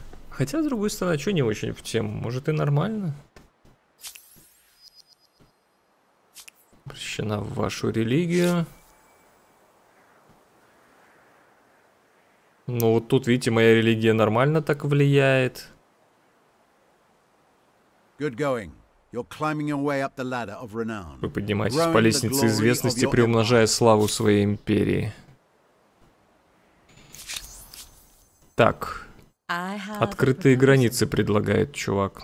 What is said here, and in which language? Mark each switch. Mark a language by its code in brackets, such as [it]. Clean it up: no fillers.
[ru] Хотя, с другой стороны, что не очень в тему? Может, и нормально? Обращена в вашу религию. Ну, вот тут, видите, моя религия нормально так влияет. [en] Good going. You're climbing your way up the ladder of renown. [ru] Вы поднимаетесь по лестнице известности, приумножая славу своей империи. Так. Открытые границы предлагает чувак.